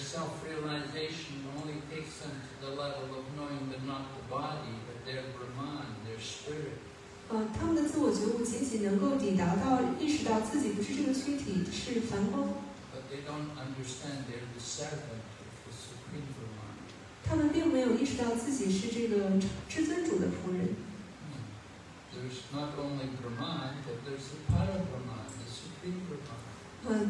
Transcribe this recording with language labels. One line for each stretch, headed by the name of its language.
English: self-realization only takes them to the level of knowing they're not the body, but their Brahman, their spirit.
Chinese: 他们的自我觉悟仅仅能够抵达到意识到自己不是这个躯体，是梵高。
English: But they don't understand they're the servant of the Supreme Brahman.
Chinese: 他们并没有意识到自己是这个至尊主的仆人。
English: The there's not only Brahman, but there's the Parabrahman, the Supreme Brahman.